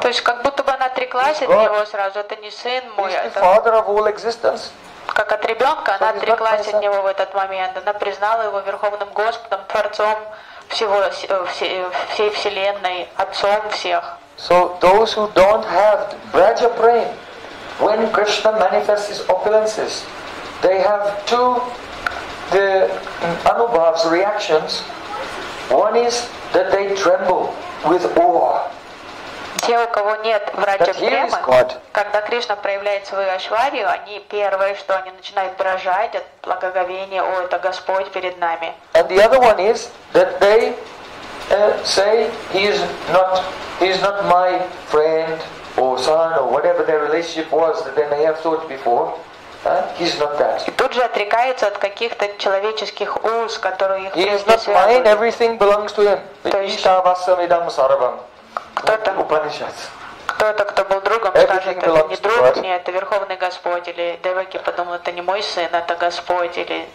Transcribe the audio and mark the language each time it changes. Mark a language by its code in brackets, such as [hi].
[ru] То есть как будто бы она отреклась от него сразу. Это не сын мой. [en] He's the father of all existence. [ru] Как от ребенка она отреклась от него в этот момент. Она признала его верховным Господом, творцом всей вселенной, отцом всех. [en] So those who don't have Braja Prem, when Krishna manifests his opulences, they have two the anubhavs reactions. One is that they tremble with awe. [ru] Те, у кого нет враджа-према, когда Кришна проявляет свою айшварию, они первые, что они начинают дрожать от благоговения, о, это Господь перед нами. [en] And the other one is that they say he is not my friend or son or whatever their relationship was that they may have thought before. He's not that. [ru] И тут же отрекаются от каких-то человеческих уз, которые их не связывают. [en] He is not mine. Everything belongs to him. [sa] Ишавасамидам Саравам. [ru] Кто-то. Упанишат. Кто-то, кто был другом, скажет, это не друг, нет, это Верховный Господь, или Деваки подумал, это не мой сын, это Господь, или...